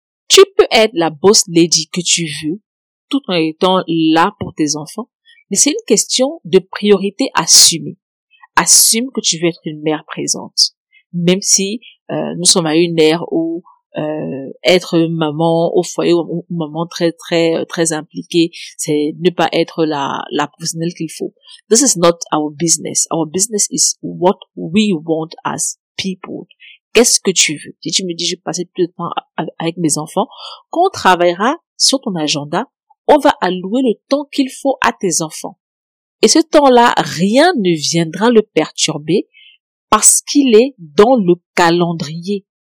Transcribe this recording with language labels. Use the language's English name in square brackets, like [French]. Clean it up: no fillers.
[French] Tu peux être la boss lady que tu veux, tout en étant là pour tes enfants, mais c'est une question de priorité assumée. Assume que tu veux être une mère présente. Même si nous sommes à une ère où être maman au foyer ou maman très très très impliquée, c'est ne pas être la professionnelle qu'il faut. [English] This is not our business. Our business is what we want as people. [French] Qu'est-ce que tu veux? Si tu me dis je vais passer plus de temps avec mes enfants, qu'on travaillera sur ton agenda, on va allouer le temps qu'il faut à tes enfants. Et ce temps-là, rien ne viendra le perturber parce qu'il est dans le calendrier.